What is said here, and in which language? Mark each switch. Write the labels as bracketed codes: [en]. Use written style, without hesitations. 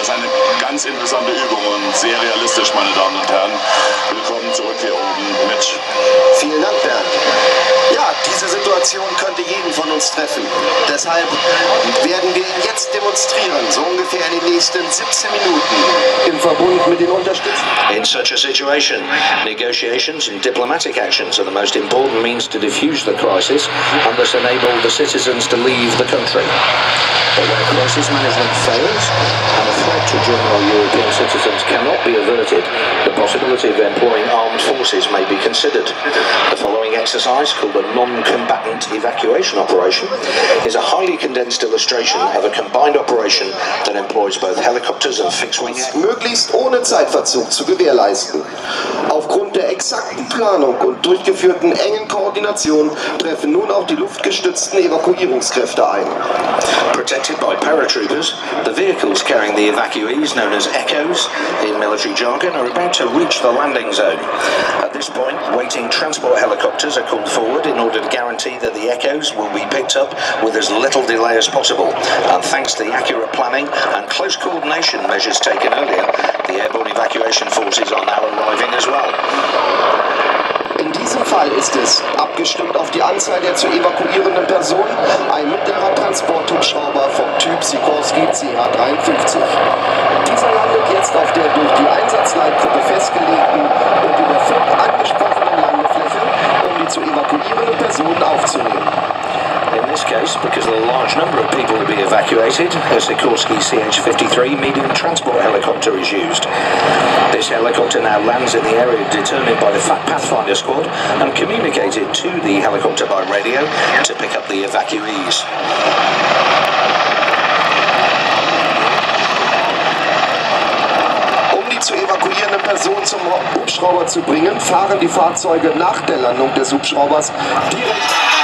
[de] Das ist eine ganz interessante Übung und sehr realistisch, meine Damen und Herren. Willkommen zurück hier oben, Mitch. Vielen Dank, Bernd. Ja, diese Situation könnte jeden von uns treffen. Deshalb werden wir ihn jetzt demonstrieren, so ungefähr in den nächsten 17 Minuten, im Verbund mit den Unterstützern. [en] In such a situation, negotiations and diplomatic actions are the most important means to defuse the crisis and thus enable the citizens to leave the country. But where crisis management fails and a threat to general European citizens cannot be averted, the possibility of employing armed forces may be considered. The following exercise, called a non-combatant evacuation operation, is a highly condensed illustration of a combined operation that employs both helicopters and fixed wings. [de] Möglichst ohne Zeitverzug zu gewährleisten. Aufgrund der exakten Planung und durchgeführten engen Koordination treffen nun auch die luftgestützten Evakuierungskräfte ein. [en] Protected by paratroopers, the vehicles carrying the evacuees, known as Echoes in military jargon, are about to reach the landing zone. At this point, waiting transport helicopters are called forward in order to guarantee that the Echoes will be picked up with as little delay as possible. And thanks to the accurate planning and close coordination measures taken earlier, the airborne evacuation forces are now arriving as well. [de] In diesem Fall ist es, abgestimmt auf die Anzahl der zu evakuierenden Personen, ein mittlerer Transporthubschrauber vom Typ Sikorsky CH-53. Dieser landet jetzt auf der durch die Einsatzleitgruppe festgelegten und über Funk angesprochenen Landefläche, um die zu evakuierenden Personen aufzunehmen. [en] In this case, because of the large number of people to be evacuated, a Sikorsky CH-53 medium transport helicopter is used. This helicopter now lands in the area determined by the FAT Pathfinder squad and communicated to the helicopter by radio to pick up the evacuees. [de] Zu evakuierenden Personen zum Hubschrauber zu bringen, fahren die Fahrzeuge nach der Landung des Hubschraubers direkt.